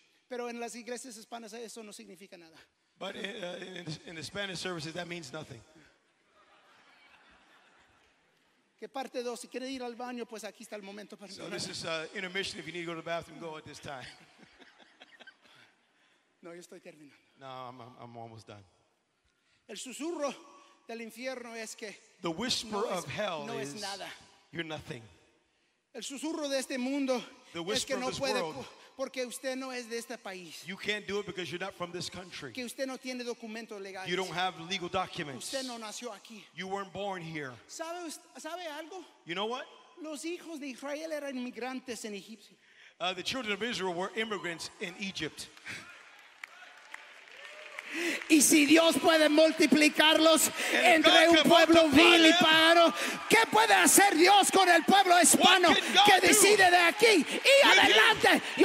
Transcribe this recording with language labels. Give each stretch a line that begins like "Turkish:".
Spanish: Pero en las iglesias hispanas eso no significa nada.
English: But in the Spanish services that means nothing.
Spanish: Que parte dos, si quiere ir al baño, pues aquí está el momento para.
English: So this is intermission. If you need to go to the bathroom, go at this time.
Spanish: No, yo estoy terminando.
English: No, I'm almost done.
Spanish: El susurro del infierno es que.
English: The whisper of hell
Spanish: no es nada.
English: You're nothing.
Spanish: El susurro de este mundo es que no puede. Porque usted no es de este país.
English: You can't do it because you're not from this country.
Spanish: Que usted no tiene documentos legales.
English: You don't have legal documents.
Spanish: Usted no nació aquí.
English: You weren't born here.
Spanish: ¿Sabe, sabe algo?
English: You know what?
Spanish: Los hijos de Israel eran inmigrantes en Egipto.
English: The children of Israel were immigrants in Egypt.
Spanish: Y si Dios puede multiplicarlos entre un pueblo vil y pagano, ¿qué puede hacer Dios con el pueblo hispano que decide de aquí y adelante?